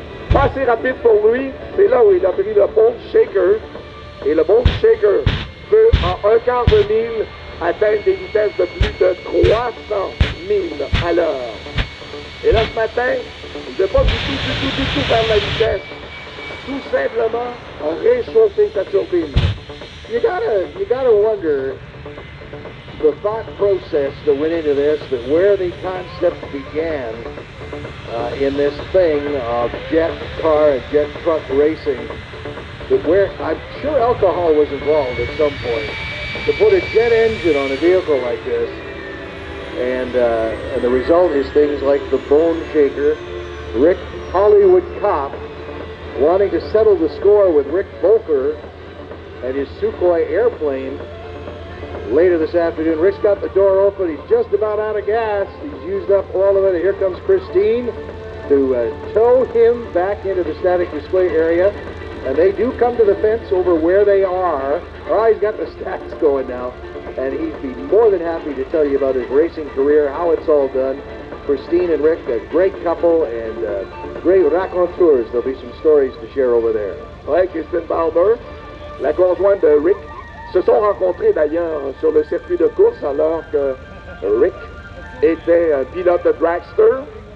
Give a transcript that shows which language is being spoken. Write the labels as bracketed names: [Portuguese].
[French] Pas assez rapide pour lui, c'est là où il a pris le Boneshaker. Et le Boneshaker peut, en un quart de mille, atteindre des vitesses de plus de 300 000 à l'heure. Et là, ce matin, je ne vais pas du tout faire la vitesse. Tout simplement, réchauffer sa turbine. [English] You gotta wonder the thought process that went into this, but where the concept began in this thing of jet car and jet truck racing. But where, I'm sure alcohol was involved at some point. To put a jet engine on a vehicle like this, and the result is things like the Boneshaker, Rick Hollywood Cop, wanting to settle the score with Rick Volker and his Sukhoi airplane, later this afternoon. Rick's got the door open. He's just about out of gas. He's used up all of it. And here comes Christine to tow him back into the static display area. And they do come to the fence over where they are. All right, he's got the stacks going now. And he'd be more than happy to tell you about his racing career, how it's all done. Christine and Rick, a great couple, and great raconteurs. There'll be some stories to share over there. Thank you, Stan Barber. [French] La conjointe de Rick se sont rencontrés d'ailleurs sur le circuit de course alors que Rick était un pilote de dragster.